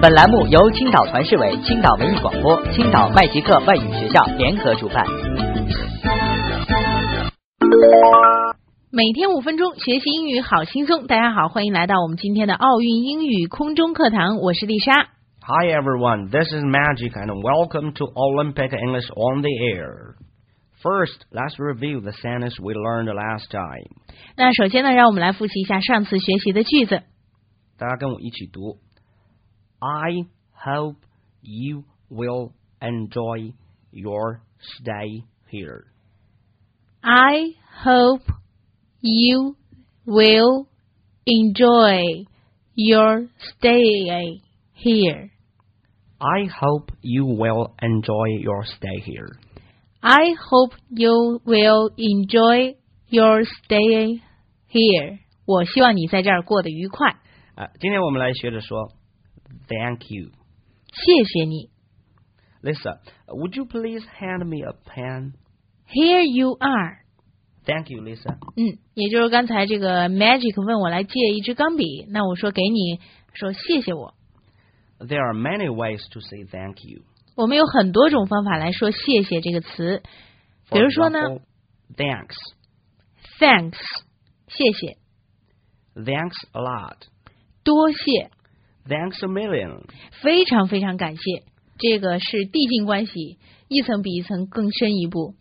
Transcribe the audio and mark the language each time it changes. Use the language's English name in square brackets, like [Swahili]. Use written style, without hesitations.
[Chinese] 本栏目由青岛团市委、青岛文艺广播、青岛麦吉克外语学校联合主办。每天五分钟学习英语好轻松，大家好，欢迎来到我们今天的奥运英语空中课堂，我是丽莎。 [English] Hi everyone, this is Magic and welcome to Olympic English on the air. First, let's review the sentence we learned last time. [Chinese] 那首先呢，让我们来复习一下上次学习的句子。大家跟我一起读。 [English] I hope you will enjoy your stay here. I hope you will enjoy your stay here. I hope you will enjoy your stay here. I hope you will enjoy your stay here. [Chinese] 我希望你在这儿过得愉快。今天我们来学着说 [English] Thank you. [Chinese] 谢谢你。 [English] Lisa, would you please hand me a pen? Here you are. Thank you, Lisa. [Chinese] 也就是刚才这个 Magic 问我来借一支钢笔，那我说给你，说谢谢我。 [English] There are many ways to say thank you. [Chinese] 我们有很多种方法来说谢谢这个词。比如说呢 [English] ,thanks. Thanks. [Chinese] 谢谢。 [English] Thanks a lot. [Chinese] 多谢。 [English] Thanks a million. [Chinese] 非常非常感谢。这个是递进关系，一层比一层更深一步。